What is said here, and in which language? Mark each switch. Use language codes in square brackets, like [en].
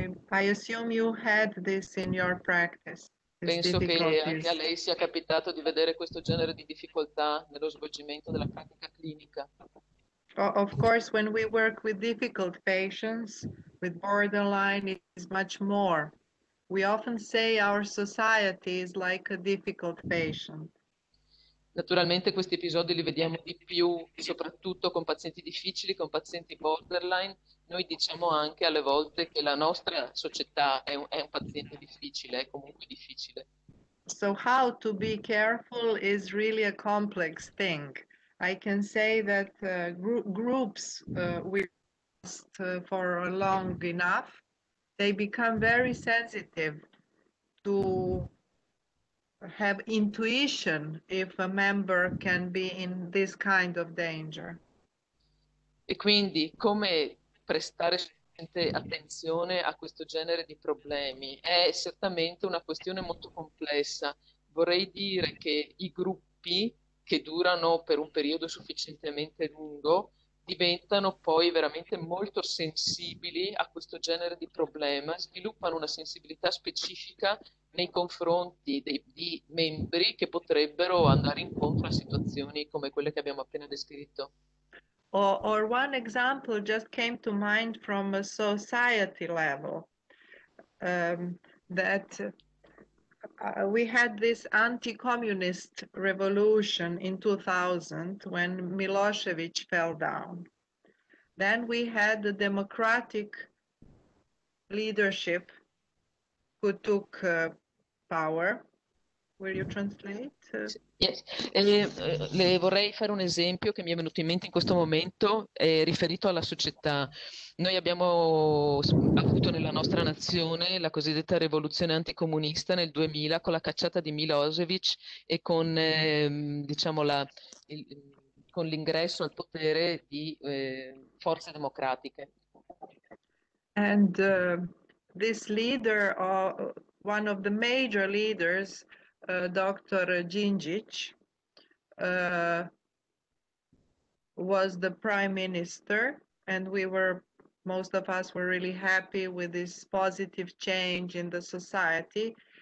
[en] I assume you had this in your practice. [it] Penso che anche a lei sia capitato di vedere questo genere di difficoltà nello svolgimento della pratica clinica. [en] Of course, when we work with difficult patients, with borderline, it is much more. We often say our society is like a difficult patient. [it] Naturalmente questi episodi li vediamo di più, soprattutto con pazienti difficili, con pazienti borderline. Noi diciamo anche alle volte che la nostra società è un paziente difficile, è comunque difficile. [en] So how to be careful is really a complex thing. I can say that groups we last for long enough, they become very sensitive to have intuition if a member can be in this kind of danger. [it] E quindi come prestare attenzione a questo genere di problemi è certamente una questione molto complessa. Vorrei dire che i gruppi che durano per un periodo sufficientemente lungo diventano poi veramente molto sensibili a questo genere di problema, sviluppano una sensibilità specifica nei confronti di membri che potrebbero andare incontro a situazioni come quelle che abbiamo appena descritto. [en] Or one example just came to mind from a society level, that we had this anti-communist revolution in 2000 when Milosevic fell down. Then we had the democratic leadership who took power. Will you translate? Yes. [it] Le vorrei fare un esempio che mi è venuto in mente in questo momento, riferito alla società. Noi abbiamo avuto nella nostra nazione la cosiddetta rivoluzione anticomunista nel 2000 con la cacciata di Milosevic e con, diciamo con l'ingresso al potere di forze democratiche. [en] And this leader, one of the major leaders, Dr. Gingich, was the prime minister, and we were, most of us were really happy with this positive change in the society.